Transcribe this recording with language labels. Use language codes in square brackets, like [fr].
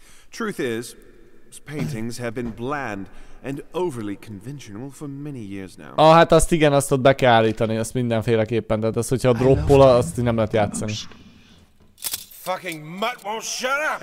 [en] Truth is, paintings have been bland and overly conventional for many years now. [hu] Ah, hát azt igen, azt ott be kell állítani, azt mindenféleképpen, tehát azt, hogyha droppol, azt nem lehet játszani. [en] Fucking mutt won't shut up.